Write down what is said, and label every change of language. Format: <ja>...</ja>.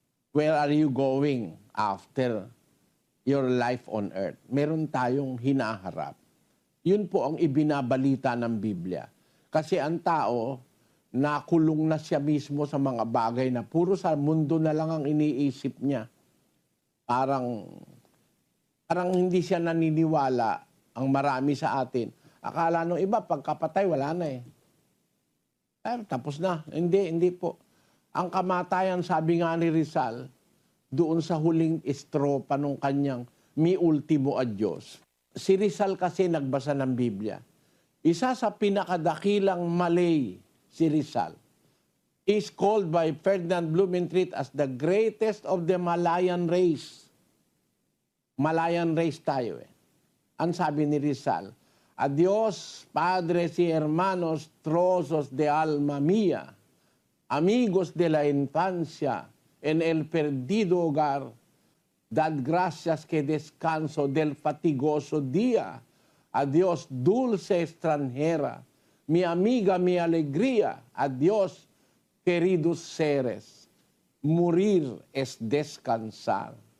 <en>Where are you going after your life on earth?</en> <tl>Meron tayong hinaharap. Yun po ang ibinabalita ng Biblia. Kasi ang tao, nakulong na siya mismo sa mga bagay na puro sa mundo na lang ang iniisip niya. Parang hindi siya naniniwala ang marami sa atin. Akala nung iba, pagkapatay, wala na eh. Eh, tapos na. Hindi po. Ang kamatayan, sabi nga ni Rizal, doon sa huling estropa nung kanyang mi ultimo adios. Si Rizal kasi nagbasa ng Biblia. Isa sa pinakadakilang Malay, si Rizal,</tl> <en>is called by Ferdinand Blumentritt as the greatest of the Malayan race.</en> <tl>Malayan race tayo eh. Ang sabi ni Rizal,</tl> <es>adios, padres y hermanos, trozos de alma mía, amigos de la infancia, en el perdido hogar, dad gracias que descanso del fatigoso día, adios, dulce extranjera, mi amiga, mi alegría, adiós, queridos seres, morir es descansar.</es>